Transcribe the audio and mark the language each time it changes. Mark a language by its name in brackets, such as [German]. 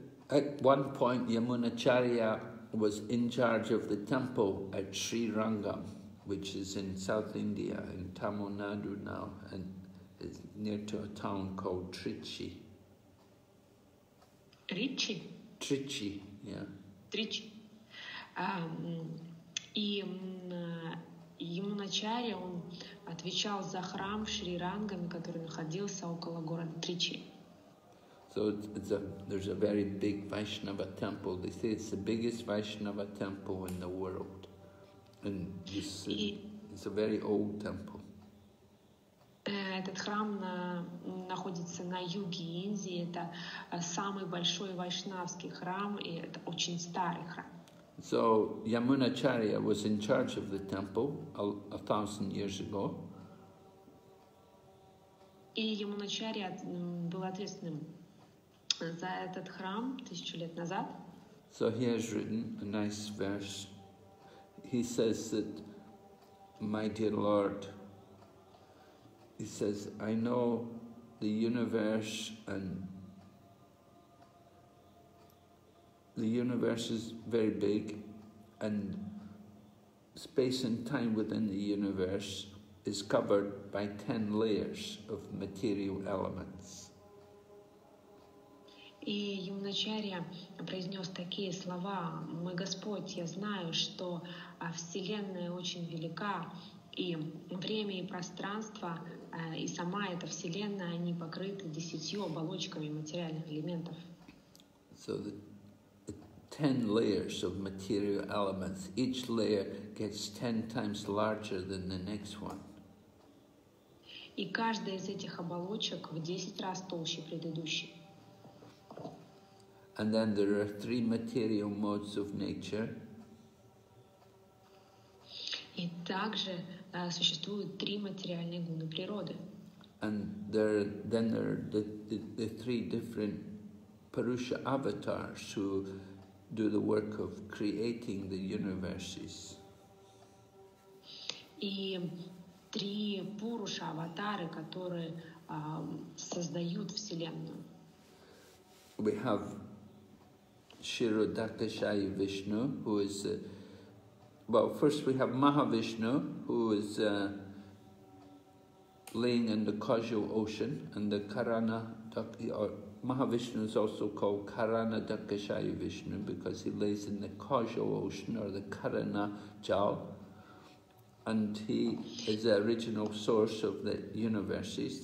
[English] At one point, Yamunacharya was in charge of the temple at Sri Rangam, which is in South India, in Tamil Nadu now, and is near to a town called Trichy. [Russian] Ричи? Тричи, yeah. Тричи. И Ямуначарья, он отвечал за храм Шри Рангами, который находился около города Тричи. [English] So there's a very big Vaishnava temple. They say it's the biggest Vaishnava temple in the world. And it's a very old temple. [Russian] Этот храм находится на юге Индии. Это самый большой вайшнавский храм, и это очень старый храм. [English] So Yamunacharya was in charge of the temple a thousand years ago. [Russian] И Ямуначарья был ответственным за этот храм тысячу лет назад. [English] So he has written a nice verse. He says that, my dear Lord, he says, I know the universe and the universe is very big, and space and time within the universe is covered by 10 layers of material elements. [Russian] И Ямуначарья произнес такие слова: «Мой Господь, я знаю, что Вселенная очень велика, и время и пространство, и сама эта Вселенная, они покрыты 10 оболочками материальных элементов». [English] So the 10 layers of material elements, each layer gets 10 times larger than the next one. [Russian] И каждая из этих оболочек в 10 раз толще предыдущей. [English] And then there are three material modes of nature. [Russian] И также существуют три материальные гуны природы. [English] And there are the three different Purusha avatars who do the work of creating the universes. [Russian] И три Пуруша аватары, которые создают Вселенную. [English] We have Shirodakshayi Vishnu, who is first we have Mahavishnu, who is laying in the causal ocean, and the Karana, or Mahavishnu is also called Karana Dakshayi Vishnu because he lays in the causal ocean or the Karana Jal, and he is the original source of the universes.